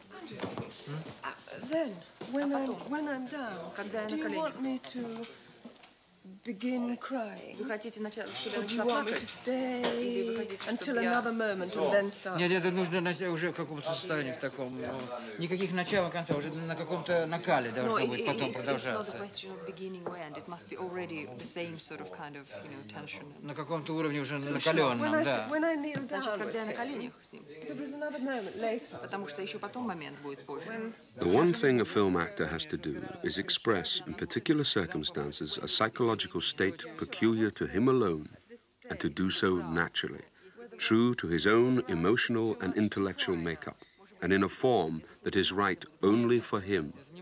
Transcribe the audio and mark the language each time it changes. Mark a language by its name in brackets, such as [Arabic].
[English] yeah. Then, when I'm down, do you want me to begin crying? Or do you want me to stay until another moment and then start? [Russian] Нет, это нужно уже в каком-то состоянии, в таком. Никаких начала, конца, уже на каком-то накале должно быть потом продолжаться. [English] It's not a question of beginning or end. It must be already the same sort of kind of, you know, tension. [Russian] На каком-то уровне уже накаленном, да. [English] When I kneel down. [Russian] Значит, когда я на коленях с ним. [English] Because there's another moment later. [Russian] Потому что еще потом момент будет позже. [English] The one thing a film actor has to do is express in particular circumstances a psychological state peculiar to him alone, and to do so naturally, true to his own emotional and intellectual makeup, and in a form that is right only for him.